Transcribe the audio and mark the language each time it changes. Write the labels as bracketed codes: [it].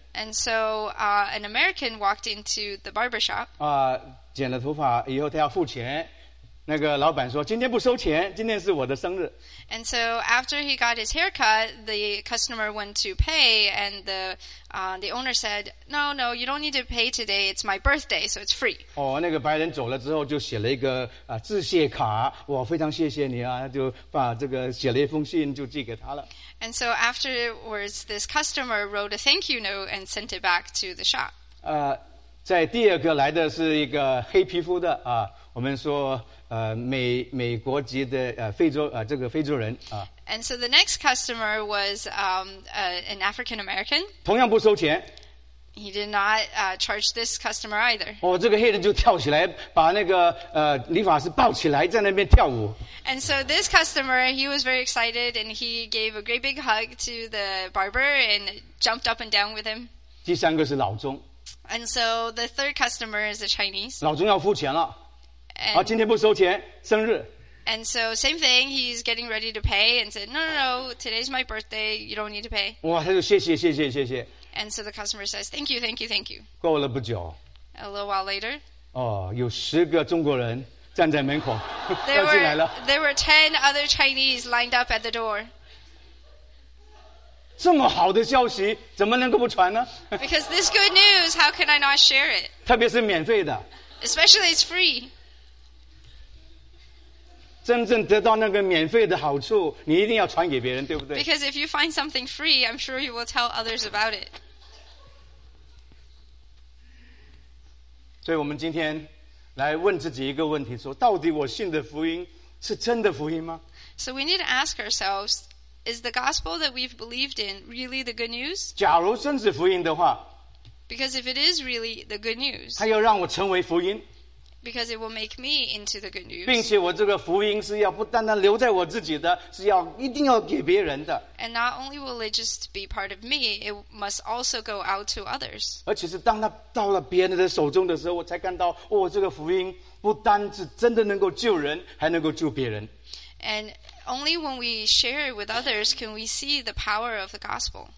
[en] And so, an American walked into the barber shop. [zh] 剪了头发以后他要付钱。那个老板说今天不收钱，今天是我的生日。 [en] And so after he got his haircut, the customer went to pay, and the owner said, no, you don't need to pay today, it's my birthday, so it's free. [zh] 那个白人走了之后就写了一个致谢卡，我非常谢谢你啊，就把这个写了一封信就寄给他了。 [en] And so afterwards, this customer wrote a thank you note and sent it back to the shop. [zh] 在第二个来的是一个黑皮肤的啊，我们说美国籍的非洲这个非洲人啊。 [en] And so the next customer was an African American. [zh] 同样不收钱。 [en] He did not charge this customer either. [zh] 这个黑人就跳起来，把那个理发师抱起来，在那边跳舞。 [en] And so this customer, he was very excited, and he gave a great big hug to the barber and jumped up and down with him. [zh] 第三个是老钟。 [en] And so the third customer is a Chinese. [zh] 老钟要付钱了。今天不收钱，生日。 [en] And so same thing, he's getting ready to pay and said, no, today's my birthday, you don't need to pay. [zh] 他就谢谢谢谢谢谢。 [en] And so the customer says, thank you. [zh] 过了不久。 [en] A little while later. [zh] 有十个中国人站在门口，要进来了。 [en] There were 10 other Chinese lined up at the door. [zh] 这么好的消息，怎么能够不传呢？ [en] Because this good news, how can I not share it? [zh] 特别是免费的。 [en] Especially it's free. [zh] 真正得到那个免费的好处，你一定要传给别人，对不对？ [en] Because if you find something free, I'm sure you will tell others about it. [zh] 所以我们今天来问自己一个问题，说到底我信的福音是真的福音吗？ [en] So we need to ask ourselves, is the gospel that we've believed in really the good news? [zh] 假如真是福音的话， [en] Because if it is really the good news, [zh] 它要让我成为福音。 [en] Because it will make me into the good news. [zh] 并且我这个福音是要不单单留在我自己的，是要一定要给别人的。 [en] And not only will it just be part of me, it must also go out to others. [zh] 而且是当他到了别人的手中的时候，我才看到，这个福音不单是真的能够救人，还能够救别人。 [en] And only when we share it with others can we see the power of the gospel.